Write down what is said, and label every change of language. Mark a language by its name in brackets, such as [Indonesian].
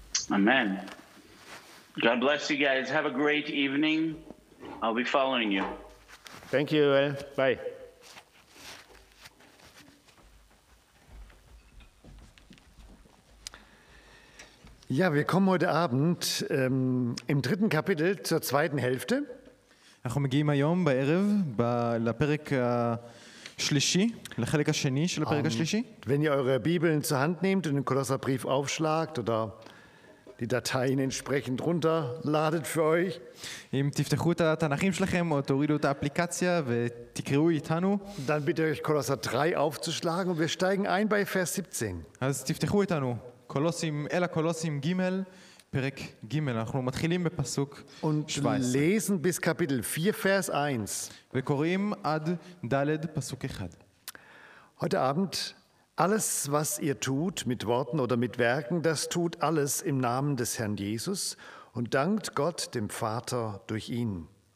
[English] Amen. God bless you guys. Have a great evening. I'll be following you. Thank you. Bye. [German] Ja, wir kommen heute Abend im dritten Kapitel zur zweiten Hälfte. [Hebrew] אנחנו מגיעים היום בערב לפרק השלישי, לחלק השני של הפרק השלישי. [German] Wenn ihr eure Bibeln zur Hand nehmt und den Kolosserbrief aufschlagt oder die Dateien entsprechend runterladet für euch. [Hebrew] אם תפתחו את התנ"כים שלכם או תורידו את האפליקציה ותקראו איתנו. [German] Dann bitte euch Kolosser 3 aufzuschlagen und wir steigen ein bei Vers 17. [Hebrew] אז תפתחו איתנו, אל הקולוסים ג' פרק ג', אנחנו מתחילים בפסוק 17. [German] Und lesen bis Kapitel 4, Vers 1. [Hebrew] וקוראים עד ד' פסוק 1. [German] Heute Abend, alles, was ihr tut, mit Worten oder mit Werken, das tut alles im Namen des Herrn Jesus und dankt Gott, dem Vater, durch ihn.